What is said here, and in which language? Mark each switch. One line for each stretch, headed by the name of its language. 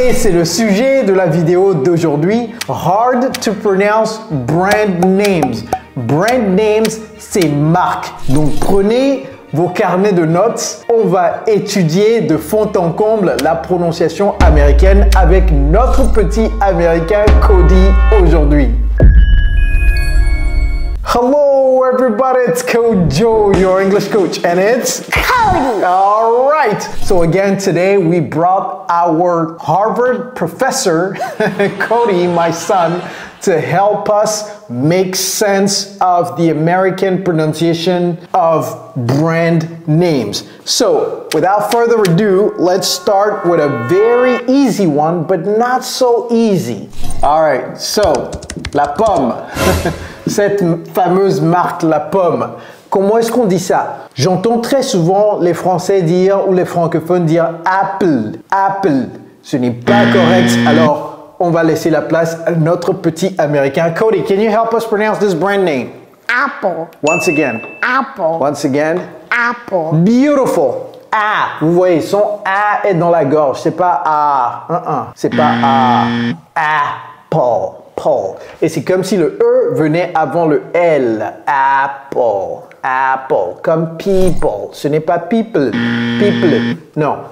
French: Et c'est le sujet de la vidéo d'aujourd'hui,
English: Hard to pronounce brand names.
French: Brand names, c'est marques. Donc prenez vos carnets de notes, on va étudier de fond en comble la prononciation américaine avec notre petit américain Cody aujourd'hui.
English: Hello everybody, it's Coach Joe, your English coach, and it's Cody. All right. So again, today we brought our Harvard professor, Cody, my son, to help us make sense of the American pronunciation of brand names. So, without further ado, let's start with a very easy one, but not so easy. All right, so,
French: la pomme. Cette fameuse marque, la pomme. Comment est-ce qu'on dit ça? J'entends très souvent les Français dire, ou les francophones dire, apple, apple. Ce n'est pas correct, alors on va laisser la place à notre petit américain.
English: Cody, can you help us pronounce this brand name? Apple. Once again. Apple. Once again. Apple. Beautiful.
French: Ah, vous voyez, son A est dans la gorge. C'est pas A. C'est pas A. Apple. Paul. Et c'est comme si le E venait avant le L. Apple. Apple. Comme people. Ce n'est pas people. People. Non.